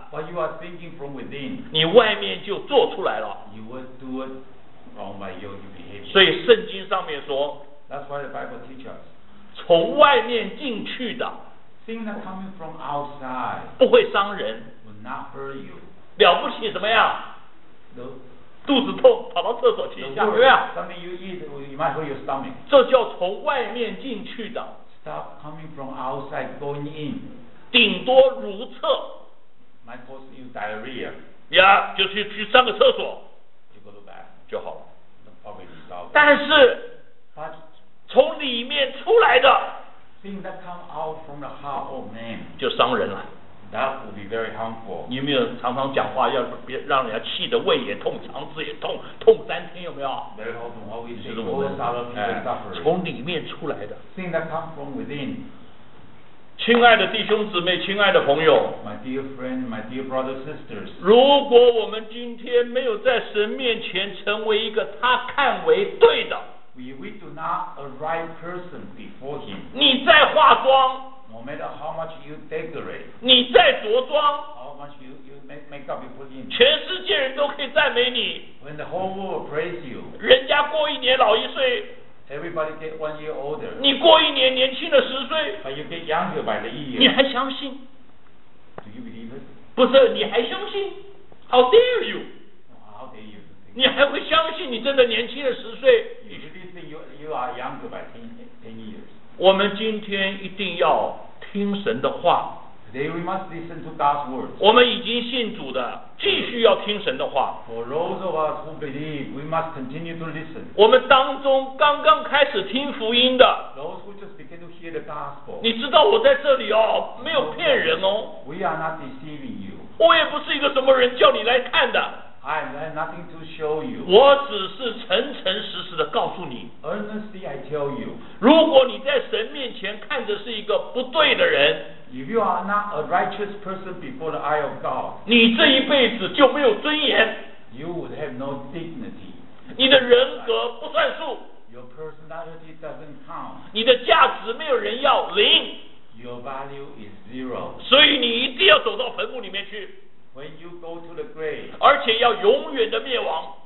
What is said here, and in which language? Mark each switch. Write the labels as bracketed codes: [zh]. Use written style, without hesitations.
[en] What you are thinking from within. [zh] 你外面就做出来了。 [en] You will do it from by your behavior. [zh] 所以圣经上面说。 [en] That's why the Bible teaches. [zh] 从外面进去的。 [en] Things that come from outside. [zh] 不会伤人。 [en] Will not hurt you. [zh] 了不起怎么样？肚子痛，跑到厕所去一下，对吧 [en] ？Something you eat, you might hurt your stomach. [zh] 这叫从外面进去的。 [en] Stop coming from outside, going in. [zh] 顶多如厕。 [en] Might cause you diarrhea. [zh] Yeah, 就是去上个厕所。 [en] You go to bed. [zh] 就好了。 [en] Probably resolve. [zh] 但是 [en] ，But [zh] 从里面出来的 [en] ，Things that come out from the heart of man [zh] 就伤人了。 [en] That would be very harmful. [zh] 你有没有常常讲话要别让人家气得胃也痛，肠子也痛，痛三天有没有 [en] ？Very often, what we see over and over again, suffering. [zh] 从里面出来的。 [en] Things that come from within. [zh] 亲爱的弟兄姊妹，亲爱的朋友。 [en] My dear friend, my dear brothers, sisters. [zh] 如果我们今天没有在神面前成为一个他看为对的 [en] ，We do not a right person before Him. [zh] 你在化妆。 [en] No matter how much you decorate, [zh] 你在着装 [en] how much you make up you put in, [zh] 全世界人都可以赞美你 [en] when the whole world praise you, [zh] 人家过一年老一岁 [en] everybody get one year older, [zh] 你过一年年轻了十岁 [en] but you get younger by the year, [zh] 你还相信 [en] do you believe it? [zh] 不是你还相信 [en] how dare you? How dare you? [zh] 你还会相信你真的年轻了十岁 [en] you really think you are younger by 10 years? [zh] 我们今天一定要听神的话。 [en] Today we must listen to God's words. [zh] 我们已经信主的，继续要听神的话。 [en] For those of us who believe, we must continue to listen. [zh] 我们当中刚刚开始听福音的。 [en] Those who just begin to hear the gospel. [zh] 你知道我在这里哦，没有骗人哦。 [en] We are not deceiving you. [zh] 我也不是一个什么人叫你来看的。 [en] I have nothing to show you. [zh] 我只是诚诚实实的告诉你。 [en] Honestly, I tell you. [zh] 如果你在神面前看着是一个不对的人。 [en] If you are not a righteous person before the eye of God. [zh] 你这一辈子就没有尊严。 [en] You would have no dignity. [zh] 你的人格不算数。 [en] Your personality doesn't count. [zh] 你的价值没有人要，零。 [en] Your value is zero. [zh] 所以你一定要走到坟墓里面去。 [en] When you go to the grave, [zh] 而且要永远的灭亡。